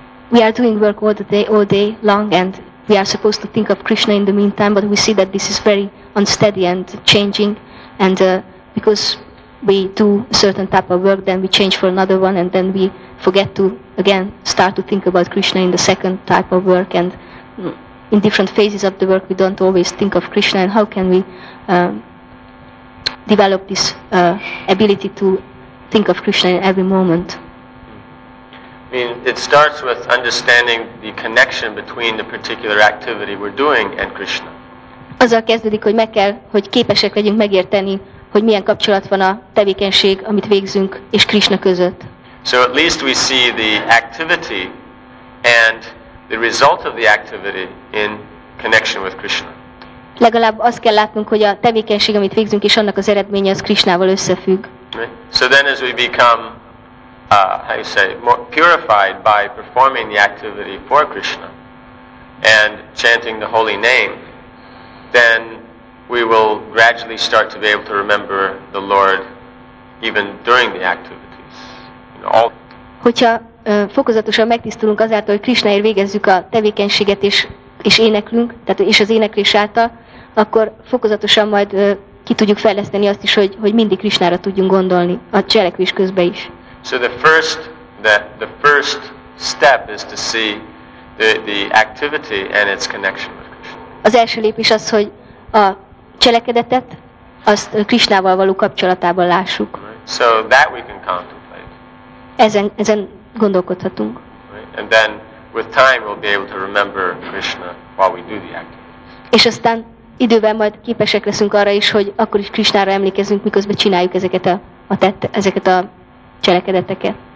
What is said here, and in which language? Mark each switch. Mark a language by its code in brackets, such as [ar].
[en] We are doing work all day long, and we are supposed to think of Krishna in the meantime, but we see that this is very unsteady and changing, and because we do a certain type of work, then we change for another one, and then we forget to again start to think about Krishna in the second type of work, and in different phases of the work we don't always think of Krishna, and how can we develop this ability to think of Krishna in every moment? I mean, it starts with understanding the connection between the particular activity we're doing and Krishna. [hu] Azzal kezdődik, hogy meg kell, hogy képesek legyünk megérteni, hogy milyen kapcsolat van a tevékenység, amit végzünk, és Krishna között. [en] So at least we see the activity and the result of the activity in connection with Krishna. [hu] Legalább azt kell látnunk, hogy a tevékenység, amit végzünk, és annak az eredménye az Krishnával összefügg. [en] Right? So then as we become how you say, more purified by performing the activity for Krishna and chanting the holy name, then we will gradually start to be able to remember the Lord even during the activities. [hu] Hogyha fokozatosan megtisztulunk azáltal, hogy Krishnáért végezzük a tevékenységet és éneklünk, tehát és az éneklés által, akkor fokozatosan majd ki tudjuk fejleszteni azt is, hogy mindig Krishnára tudjunk gondolni a cselekvés közben is. [en] So the first step is to see the activity and its connection with Krishna. [hu] Az első lépés az, hogy a cselekedetet azt Krishnával való kapcsolatában lássuk. [en] Right. So that we can contemplate. [hu] Ezen gondolkodhatunk. [en] Right. And then with time we'll be able to remember Krishna while we do the activities. [hu] És aztán idővel majd képesek leszünk arra is, hogy akkor is Krishnára emlékezünk, miközben csináljuk ezeket a cselekedeteket.